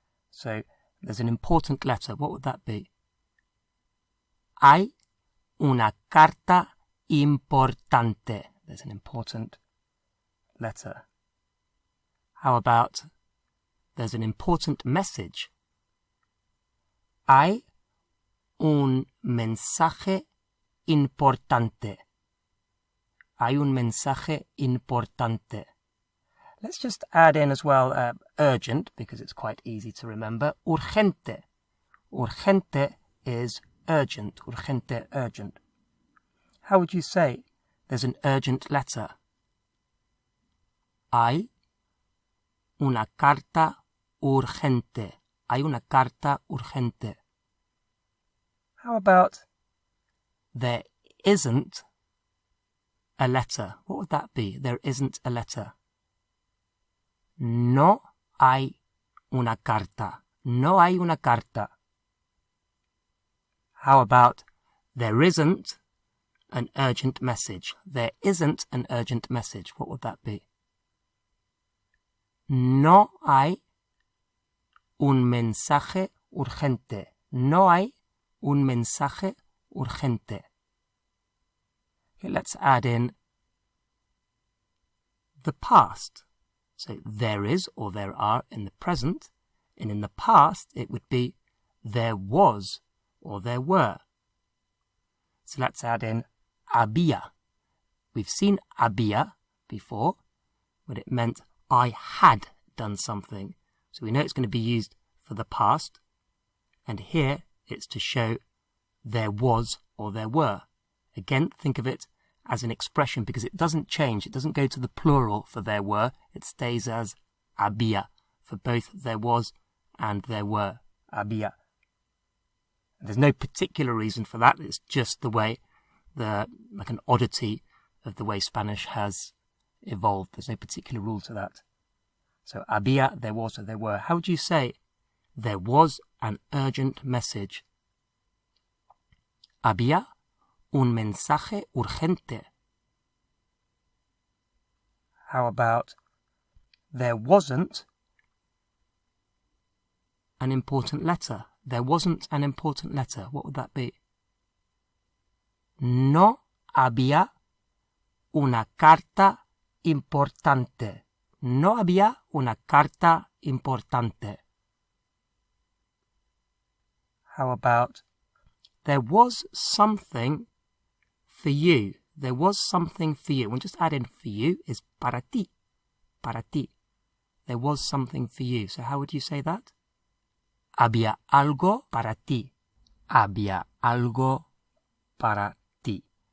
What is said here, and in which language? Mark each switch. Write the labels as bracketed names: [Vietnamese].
[English] So there's an important letter. What would that be? [Spanish] Hay una carta importante. [English] There's an important letter. How about there's an important message? [Spanish] Hay un mensaje importante. Hay un mensaje importante. [English] Let's just add in as well urgent, because it's quite easy to remember. [Spanish] Urgente. [English] Urgente is urgent. Urgente, urgent. How would you say there's an urgent letter? [Spanish] Hay una carta urgente. Hay una carta urgente. [English] How about there isn't a letter? What would that be? There isn't a letter. [Spanish] No hay una carta. No hay una carta. [English] How about there isn't an urgent message? There isn't an urgent message. What would that be? [Spanish] No hay un mensaje urgente. No hay un mensaje urgente. [English] Okay, let's add in the past. So there is or there are in the present. And in the past, it would be there was or there were. So let's add in [Spanish] había. [English] We've seen había before, but it meant I had done something. So we know it's going to be used for the past. And here, it's to show there was or there were. Again, think of it as an expression, because it doesn't change. It doesn't go to the plural for there were. It stays as había for both there was and there were. [Spanish] Había. [English] There's no particular reason for that. It's just the way, like an oddity of the way Spanish has evolved. There's no particular rule to that. So había, there was, or there were. How would you say there was an urgent message? [Spanish] Había un mensaje urgente. [English] How about there wasn't an important letter? There wasn't an important letter. What would that be? [Spanish] No había una carta importante. No había una carta importante. [English] How about there was something for you? there was something for you. And just add in for you is [Spanish] para ti. Para ti. [English] There was something for you. So how would you say that? [Spanish] Había algo para ti. Había algo para ti.